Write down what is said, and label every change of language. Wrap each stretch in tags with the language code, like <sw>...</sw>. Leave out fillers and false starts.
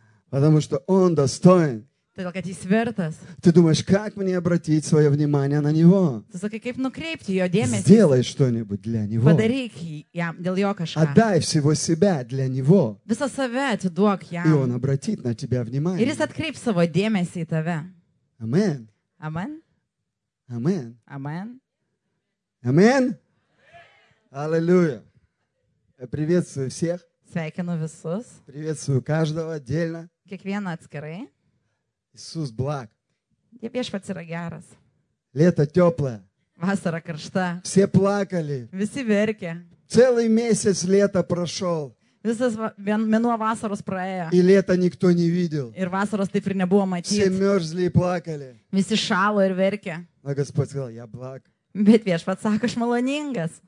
<ru>Потому что он достоин. Ты думаешь, как мне обратить свое внимание на него? Сделай что-нибудь для него. Отдай всего себя для него. И он обратит на тебя внимание.</ru> <lt>Ir jis atkreips savo dėmesį į tave. Amen. Amen. Amen. Amen.</lt> <ru>Amen. Аллилуйя. Я приветствую всех.</ru> <lt>Sveikinu visus.</lt> <ru>Приветствую каждого отдельно.</ru> <lt>Kiekvieną atskirai.</lt> <ru>Иисус благ.</ru> <lt>Viešpats yra geras.</lt> <ru>Лето теплое.</ru> <lt>Vasara karšta.</lt> <ru>Все плакали.</ru> <lt>Visi verkė.</lt> <ru>Целый месяц лета прошел.</ru> <lt>Visas mėnuo vasaros praėjo.</lt> <ru>И лето никто не видел.</ru> <lt>Ir vasaros taip ir nebuvo matyti.</lt> <ru>Все мерзли и плакали.</ru> <lt>Visi šalo ir verkė.</lt> <ru>А Господь сказал, я благ.</ru> <lt>Bet viešpats sako, aš maloningas.</lt>